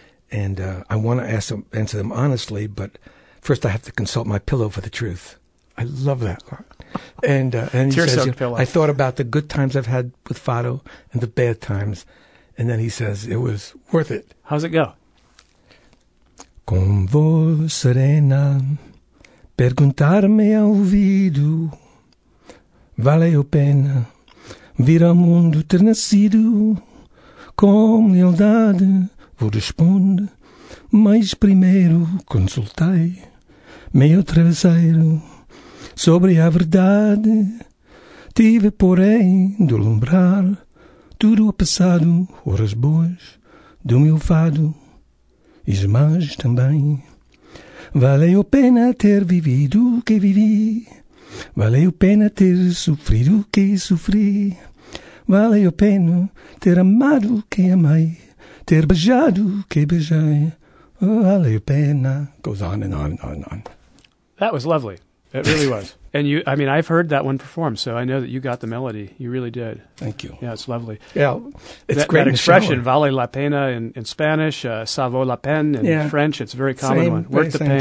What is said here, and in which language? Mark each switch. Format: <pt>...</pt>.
<en>And I want to answer them honestly, but first I have to consult my pillow for the truth. I love that. And he says, I thought about the good times I've had with Fado and the bad times. And then he says, it was worth it. How's it go?</en> <pt>Com voz serena, perguntar-me ao ouvido, valeu pena vir ao mundo ter nascido. Com lealdade, vou responde, mas primeiro consultei meu travesseiro. Sobre a verdade, tive, porém, de lembrar tudo o passado, horas boas, do meu fado, e demais também. Valeu pena ter vivido o que vivi, valeu pena ter sofrido o que sofri, valeu pena ter amado quem amei, ter beijado quem beijei, valeu pena.</pt> <en>Goes on and on and on and on. That was lovely. It really was. And you, I mean, I've heard that one perform, so I know that you got the melody. You really did. Thank you. Yeah, it's lovely. Yeah, it's great. That expression,</en> <es>vale la pena</es> <en>in Spanish,</en> <fr>ça vaut la peine</fr> <en>in French, it's a very common same, one. Worth the pain.</en>